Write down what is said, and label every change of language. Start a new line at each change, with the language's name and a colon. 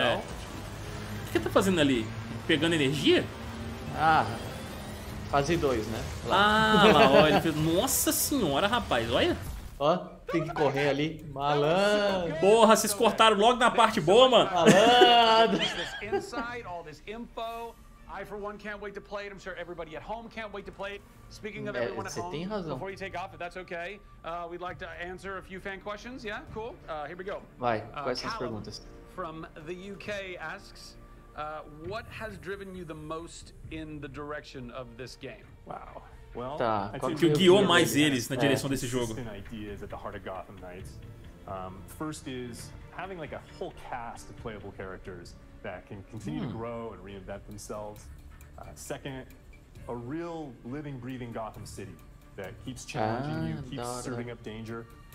Portuguese: É. O que ele tá fazendo ali? Pegando energia? Ah, fase 2, né? Lá. Ah, lá, olha. Nossa senhora, rapaz, olha. Ó, tem que correr ali. Malandro. Porra, vocês cortaram logo na parte boa, mano. Malandro.
English: I for one can't wait to play it. I'm sure everybody at home can't wait to play it. Speaking of everyone at home,
Portuguese: tem razão.
English: Before you take off, if that's okay, we'd like to answer a few fan questions. Yeah, cool. Here we go.
Portuguese: Vai, quais são as perguntas?
English: From the UK asks, what has driven you the most in the direction of this game? Wow. Well,
Portuguese: tá. Qual que guiou mais eles na direção desse jogo?
English: Ideas at the heart of Gotham Knights. First is having like a whole cast of playable characters that can continue to grow and reinvent themselves. Second, a real living, breathing Gotham City that keeps challenging you, keeps serving up danger.